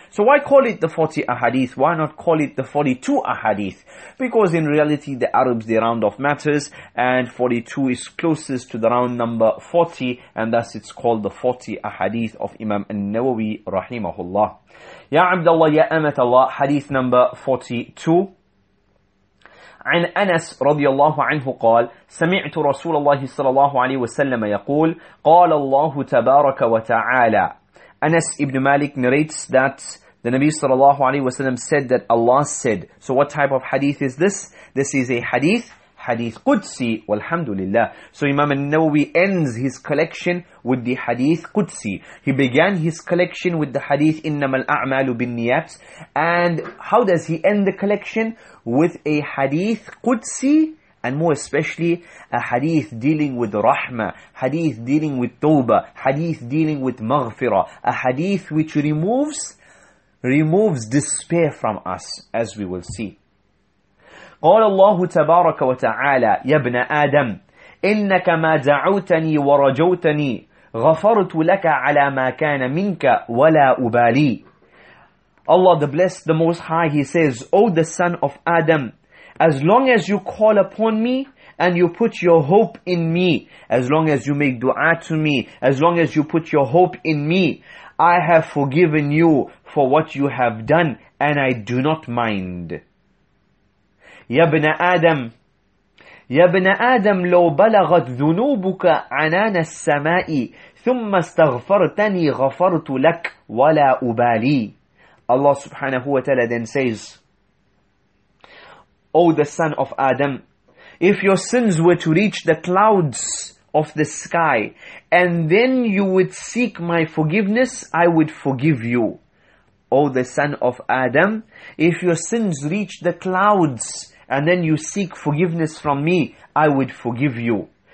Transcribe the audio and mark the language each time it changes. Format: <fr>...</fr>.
<en>So why call it the 40 ahadith? Why not call it the 42 ahadith? Because in reality the Arabs, they round off matters, and 42 is closest to the round number 40, and thus it's called the 40 ahadith of Imam al-Nawawi, rahimahullah.</en> <ar>Ya Abdullah, ya Amat Allah,</ar> <en>hadith number 42.</en> <ar>عن أنس رضي الله عنه قال سمعت رسول الله صلى الله عليه وسلم يقول قال الله تبارك وتعالى.</ar> <en>Anas ibn Malik narrates that the Nabi</en> <ar>صلى الله عليه وسلم</ar> <en>said that Allah said. So what type of hadith is this? This is a hadith Qudsi, walhamdulillah. So Imam al-Nawawi ends his collection with the hadith Qudsi. He began his collection with the hadith</en> <ar>innamal a'malu bin niyat.</ar> <en>And how does he end the collection? With a hadith Qudsi, and more especially a hadith dealing with rahmah, hadith dealing with tawbah, hadith dealing with maghfirah, a hadith which removes despair from us, as we will see.</en> <ar>قال الله تبارك وتعالى يا ابن آدم إنك ما دعوتني ورجوتني غفرت لك على ما كان منك ولا أبالي.</ar> <en>Allah the Blessed, the Most High, He says, O the son of Adam, as long as you call upon me and you put your hope in me, as long as you make dua to me, as long as you put your hope in me, I have forgiven you for what you have done and I do not mind.</en> <ar>Ya Bna Adam, لو بلغت ذنوبك عنان السماء ثم استغفرتني غفرت لك ولا أبالي.</ar> <en>Allah subhanahu wa ta'ala then says, O the son of Adam, if your sins were to reach the clouds of the sky, and then you would seek my forgiveness, I would forgive you. O the son of Adam, if your sins reach the clouds, and then you seek forgiveness from me, I would forgive you.</en>